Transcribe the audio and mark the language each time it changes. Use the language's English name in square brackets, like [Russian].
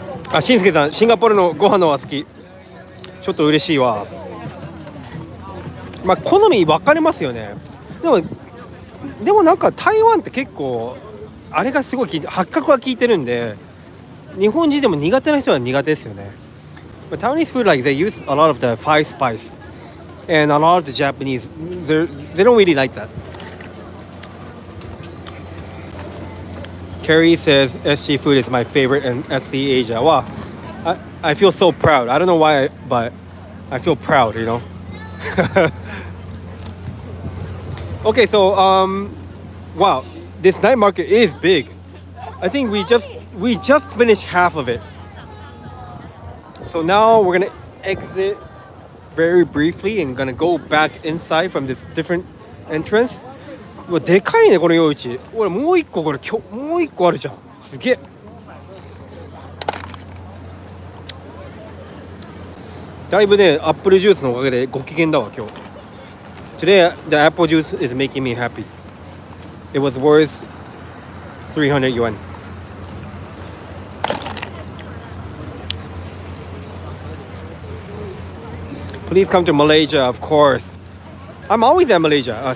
[Japanese] あ、しんすけさん、シンガポールのご飯のは好き。ちょっと嬉しいわ。まあ、好み分かれますよね。でもなんか台湾って結構あれがすごい八角は効いてるんで、日本人でも苦手な人は苦手ですよね。 [English] But Taiwanese food, like, they use a lot of the five spice. And a lot of the Japanese, they don't really like that. Carrie says, SG food is my favorite in SC Asia. Wow, I feel so proud. I don't know why, but I feel proud, you know? Okay, so, wow, this night market is big. I think we just finished half of it. So now we're gonna exit very briefly and gonna go back inside from this different entrance. [Japanese] うわ、でかいね、この夜市。ほら、もう一個これ、今日、もう一個あるじゃん。すげえ。だいぶね、アップルジュースのおかげでご機嫌だわ、今日。 [English] Today, the apple juice is making me happy. It was worth 300 yuan. Please come to Malaysia, of course. I'm always at Malaysia.